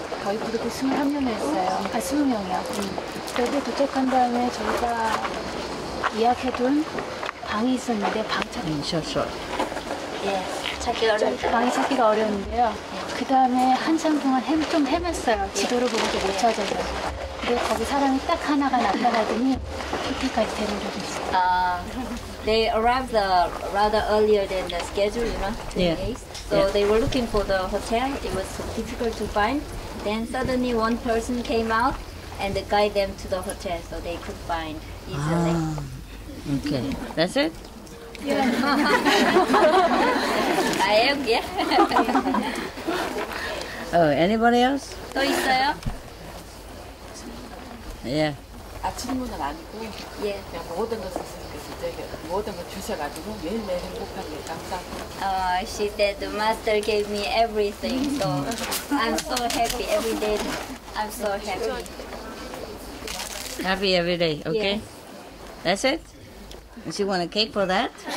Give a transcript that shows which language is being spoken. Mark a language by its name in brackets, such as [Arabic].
[Korean] 저희 그룹이 23명이었어요. 아, 20명이요. 그래도 도착한 다음에 저희가 예약해둔 방이 있었는데 방 찾기 방 찾기가 어려웠는데요. 그 다음에 한참 동안 좀 헤맸어요. 지도를 보고도 못 찾아서. 근데 거기 사람이 딱 하나가 나타나더니 호텔까지 데려오고 있어요. [English] They arrived rather earlier than the schedule, you know, 2 days. So they were looking for the hotel. It was difficult to find. Then suddenly one person came out and guide them to the hotel so they could find easily. Okay, that's it? Yeah. I am, yeah. Oh, anybody else? [Korean] 또 있어요? [English] Yeah. [Korean] 아침문은 아니고 그냥 모든 것 있으니까 진짜 모든 걸 주셔가지고 매일매일 행복하게 감사합니다. [English] She said the master gave me everything, so I'm so happy every day. I'm so happy. Happy every day, okay? Yeah. That's it? She want a cake for that?